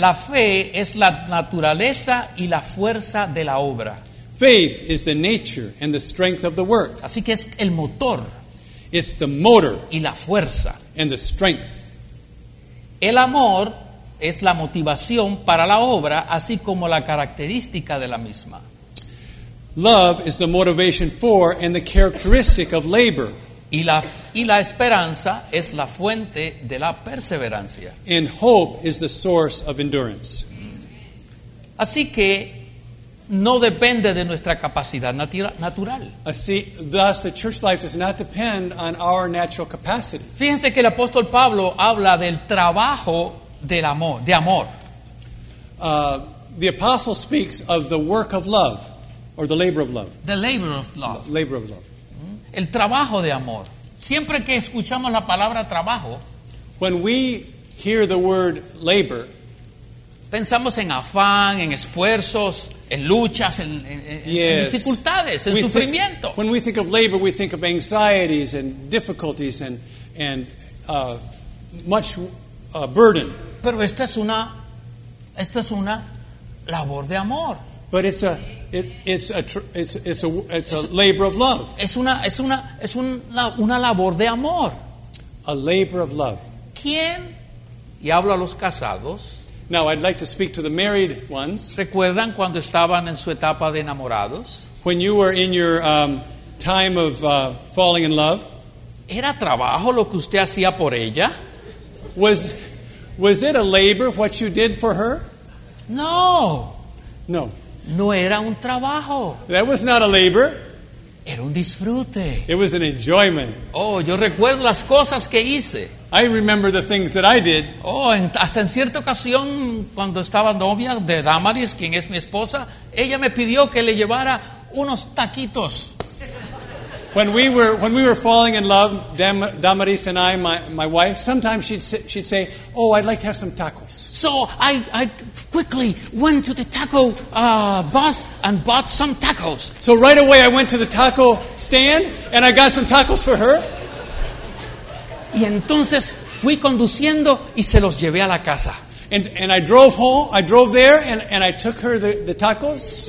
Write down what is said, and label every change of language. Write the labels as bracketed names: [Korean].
[Spanish] La fe es la naturaleza y la fuerza de la obra. [English] Faith is the nature and the strength of the work. [Spanish] Así que es el motor. [English] It's the motor. [Spanish] Y la fuerza. [English] And the strength. [Spanish] El amor es la motivación para la obra, así como la característica de la misma. [English] Love is the motivation for and the characteristic of labor. [Spanish] Y la esperanza es la fuente de la perseverancia. [English] And hope is the source of endurance. [Spanish] Así que no depende de nuestra capacidad natural. [English] Thus, the church life does not depend on our natural capacity. [Spanish] Fíjense que el apóstol Pablo habla del trabajo del amor, de amor. [English] The apostle speaks of the work of love. Or the labor of love. The labor of love. Labor of love. [Spanish] El trabajo de amor. Siempre que escuchamos la palabra trabajo, [English] when we hear the word labor, [Spanish] pensamos en afán, en esfuerzos, en luchas, en dificultades, en sufrimiento. [English] When we think of labor, we think of anxieties and difficulties and much burden. [Spanish] Pero esta es una labor de amor. [English] But it's a labor of love. [Spanish] Es una labor de amor. [English] A labor of love. [Spanish] ¿Quién? Y hablo a los casados. [English] Now I'd like to speak to the married ones. [Spanish] ¿Recuerdan cuando estaban en su etapa de enamorados? [English] When you were in your time of falling in love. [Spanish] ¿Era trabajo lo que usted hacía por ella? [English] Was it a labor what you did for her? [Spanish] No. [English] No. [Spanish] No era un trabajo. [English] That was not a labor. [Spanish] Era un disfrute. [English] It was an enjoyment. [Spanish] Oh, yo recuerdo las cosas que hice. [English] I remember the things that I did. [Spanish] Oh, hasta en cierta ocasión, cuando estaba novia de Damaris, quien es mi esposa, ella me pidió que le llevara unos taquitos. [English] When we were falling in love, Damaris and I, my wife, sometimes she'd say, "Oh, I'd like to have some tacos." So I quickly went to the taco bus and bought some tacos. So right away I went to the taco stand and I got some tacos for her. [Spanish] Y entonces fui conduciendo y se los llevé a la casa. [English] And I drove home. I drove there and I took her the tacos.